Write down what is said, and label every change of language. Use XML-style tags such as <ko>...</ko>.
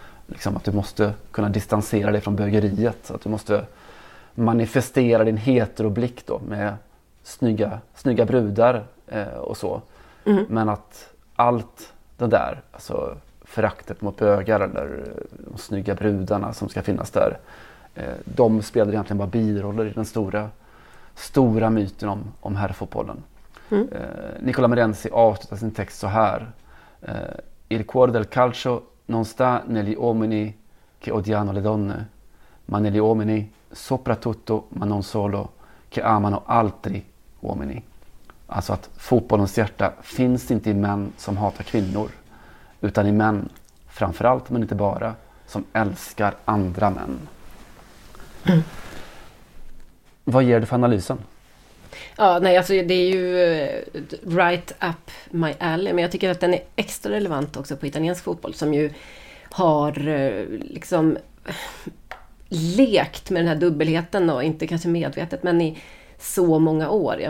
<sv>Liksom att du måste kunna distansera dig från bögeriet. Att du måste manifestera din heteroblick då med snygga brudar och så. Men att allt det där, alltså föraktet mot bögar eller de snygga brudarna som ska finnas där, de spelar egentligen bara biroller i den stora myten om herrfotbollen. Nicola Mirenzi avslutar sin text så här:</sv> <it>il cuore del calcio non sta negli uomini che odiano le donne, ma negli uomini soprattutto, ma non solo, che amano altri uomini.</it> <sv>Alltså att fotbollens hjärta finns inte i män som hatar kvinnor, utan i män framförallt, men inte bara, som älskar andra män. Vad ger du för analysen? Ja, nej, alltså det är ju</sv> <en>right up my alley,</en> <sv>men jag tycker att den är extra relevant också på italiensk fotboll, som ju har liksom lekt med den här dubbelheten, och inte kanske medvetet, men i så många år.</sv>